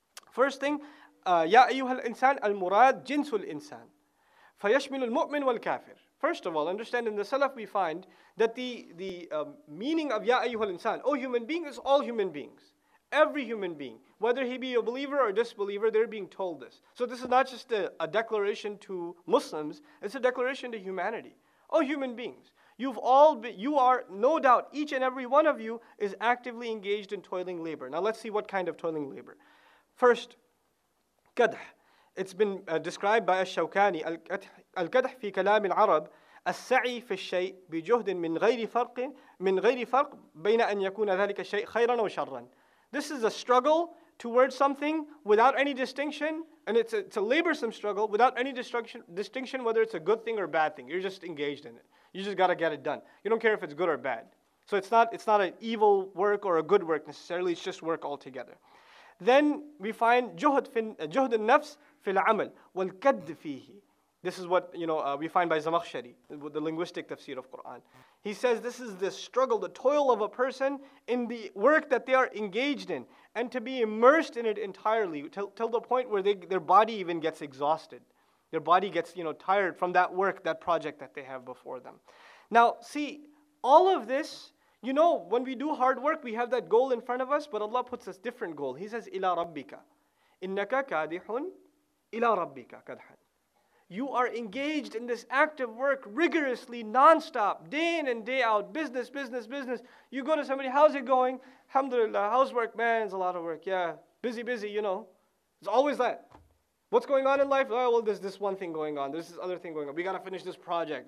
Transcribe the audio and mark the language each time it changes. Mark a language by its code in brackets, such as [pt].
[en] First thing, [ar] يَا أَيُّهَا الْإِنسَانِ الْمُرَادِ جِنْسُ الْإِنسَانِ فَيَشْمِلُ الْمُؤْمِنُ وَالْكَافِرِ. [en] First of all, understand in the Salaf we find that the meaning of [ar] يَا أَيُّهَا الْإِنسَانِ, [en] oh human being, is all human beings. Every human being, whether he be a believer or a disbeliever, they're being told this. So this is not just a declaration to Muslims, it's a declaration to humanity. Oh human beings, no doubt, each and every one of you is actively engaged in toiling labor. Now let's see what kind of toiling labor. First, kadh. It's been described by al-Shawkani, al-kadh fi kalam al-Arab, [ar] السعي في الشيء بجهد من غير فرق بين أن يكون ذلك الشيء خيرا أو شرا. [en] This is a struggle towards something without any distinction, and it's a laborsome struggle without any distinction whether it's a good thing or a bad thing. You're just engaged in it. You just got to get it done. You don't care if it's good or bad. So it's not an evil work or a good work necessarily. It's just work altogether. Then we find [ar] جهد النفس في العمل والكد فيه. [en] This is what, you know, we find by Zamakhshari, the linguistic tafsir of Quran. He says this is the struggle, the toil of a person in the work that they are engaged in, and to be immersed in it entirely till the point where their body even gets exhausted. Their body gets, you know, tired from that work, that project that they have before them. Now, see, all of this, you know, when we do hard work, we have that goal in front of us, but Allah puts a different goal. He says, [ar] إِلَى رَبِّكَ إِنَّكَ كَادِحٌ إِلَى رَبِّكَ كَدْحًا. [en] You are engaged in this active work rigorously, nonstop, day in and day out, business, business, business. You go to somebody, how's it going? Alhamdulillah, how's work, man? It's a lot of work, yeah. Busy, busy, you know. It's always that. What's going on in life? Oh, well, there's this one thing going on. There's this other thing going on. We got to finish this project.